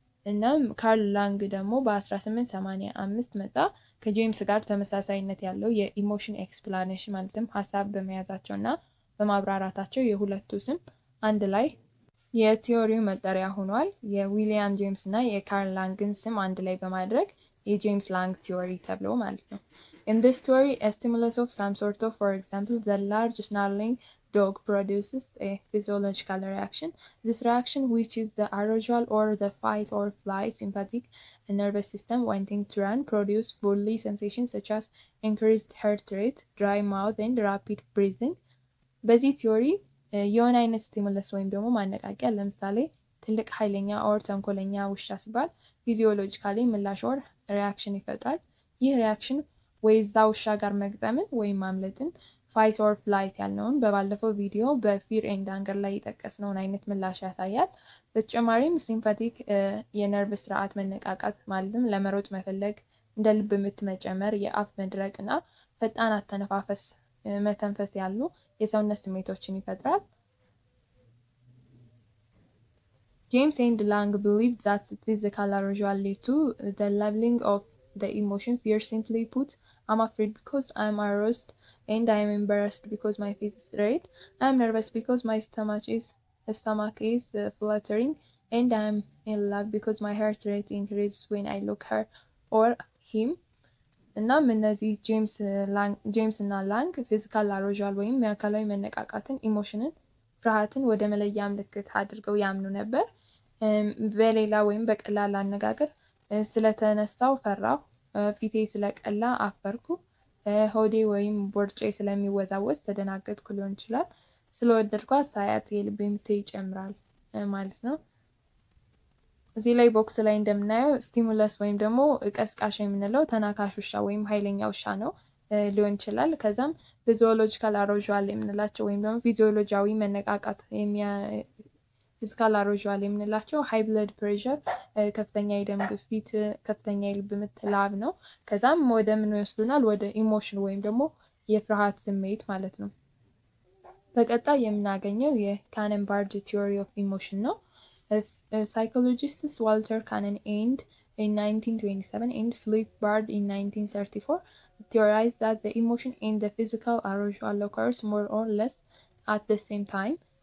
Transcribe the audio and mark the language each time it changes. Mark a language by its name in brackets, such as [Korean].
[Amharic] እናም ካርል ላንግ ደግሞ በ1885 መጣ ከጄምስ ጋር ተመሳሳይነት ያለው የኢሞሽን ኤክስፕላኔሽን ማለትም ሐሳብ በመያዛቸውና በማብራራታቸው የሁለቱ ስም አንድ ላይ የቲዎሪው መጠሪያ ሆኗል። የዊሊያም ጄምስ እና የካርል ላንግን ስም አንድ ላይ በማድረግ የጄምስ ላንግ ቲዎሪ ተብሎ ማለት ነው። [English] In this theory, a stimulus of some sort of, for example, the large snarling dog produces a physiological reaction. This reaction, which is the arousal or the fight or flight sympathetic nervous system wanting to run, produces bodily sensations such as increased heart rate, dry mouth, and rapid breathing. [Amharic] በዚህ ቲዎሪ የሆነ አይነት ስቲሙለስ ወይም ደግሞ ማነቃቂያ ለምሳሌ ትልቅ ኃይለኛ ኦር ተንኮለኛ ውሻ ሲባል ፊዚዮሎጂካሊ ምላሽ ኦር ሪያክሽን ይፈጥራል። ይህ ሪያክሽን ወይ እዛ ውሻ ጋር መግጠምን ወይም ማምለጥን ፋይት ኦር ፍላይት ያልነውን በባለፈው ቪዲዮ በፊር ኤንድ አንገር ላይ የጠቀስነውን አይነት ምላሽ ያሳያል። በተጨማሪም ሲምፓቲክ የነርቭ ስርዓት መነቃቃት ማለትም ለመሮጥ መፈለግ፣ እንደ ልብ ምት መጨመር፣ የአፍ መድረቅ እና ፈጣን አተነፋፈስ መተንፈስ ያሉ የሰውነት ስሜቶችን ይፈጥራል። [English] James and Lang believed that physical arousal led to the leveling of the emotion. Fear, simply put, I'm afraid because I'm aroused and I'm embarrassed because my face is red. I'm nervous because my stomach is fluttering, and I'm in love because my heart rate increases when I look her or him. [Amharic] እናም እነዚህ ጄምስ እና ላንግ ፊዚካል አሮዣል ወይም የአካላዊ መነቃቃትን ኢሞሽንን ፍርሃትን ወደ መለያ ምልክት አድርገው ያምኑ ነበር። በሌላ ወይም በቀላል አነጋገር ስለተነሳው ፈራሁ፣ ፊቴ ስለቀላ አፈርኩ፣ ሆዴ ወይም ቦርጬ ስለሚወዛወዝ ተደናገጥኩ ሊሆን ይችላል፣ ስለወደድኳት ሳያት የልቤ ምት ይጨምራል ማለት ነው። እዚህ ላይ ቦክስ ላይ እንደምናየው ስቲሙለስ ወይም ደግሞ ቀስቃሽ የምንለው ተናካሽ ውሻ ወይም ኃይለኛ ውሻ ነው ሊሆን ይችላል። ከዛም ፊዚዮሎጂካል አሮዣል የምንላቸው ወይም ደግሞ ፊዚዮሎጂያዊ መነቃቃት ፊዚካል አሮዣል የምንላቸው ሃይ ብለድ ፕሬሸር፣ ከፍተኛ የደም ግፊት፣ ከፍተኛ የልብ ምት፣ ላብ ነው። ከዛም ወደ ምን ይወስዱናል? ወደ ኢሞሽን ወይም ደግሞ የፍርሃት ስሜት ማለት ነው። በቀጣይ የምናገኘው የካነንባርድ ቲዎሪ ኦፍ ኢሞሽን ነው። [English] Psychologists Walter Cannon in 1927 and Philip Bard in 1934 theorized that the emotion and the physical arousal occurs more or less at the same time.